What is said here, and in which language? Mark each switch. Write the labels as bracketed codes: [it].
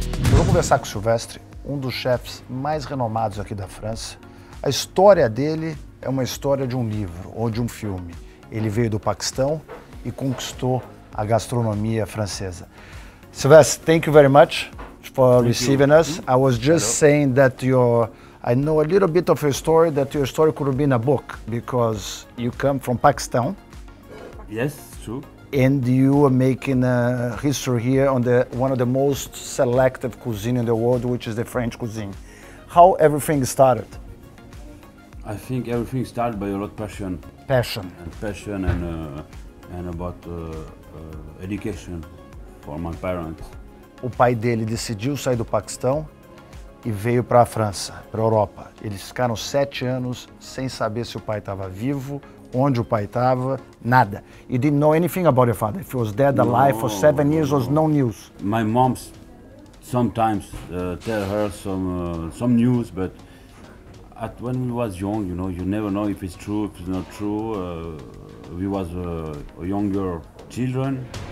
[pt] Vamos conversar com o Silvestre, um dos chefs mais renomados aqui da França. A história dele é uma história de um livro ou de um filme. Ele veio do Paquistão e conquistou a gastronomia francesa. [en] Silvestre, thank you very much for thank receiving you. Us. I was just Hello. Saying that your, I know a little bit of your story, that your story could be in a book because you come from Pakistan. Yes, true. And you are making a history here on the one of the most selective cuisine in the world, which is the French cuisine. How everything started? I think everything started by a lot of passion. Passion. And passion and about education for my parents. [pt] O pai dele decidiu sair do Paquistão e veio para a França, para a Europa. Eles ficaram 7 anos sem saber se o pai estava vivo, onde o pai estava, nada. [en] You didn't know anything about your father. If he was dead, alive, for 7 years, was no news. My mom sometimes tell her some news, but at when we was young, you know, you never know if it's true, if it's not true. We was younger children.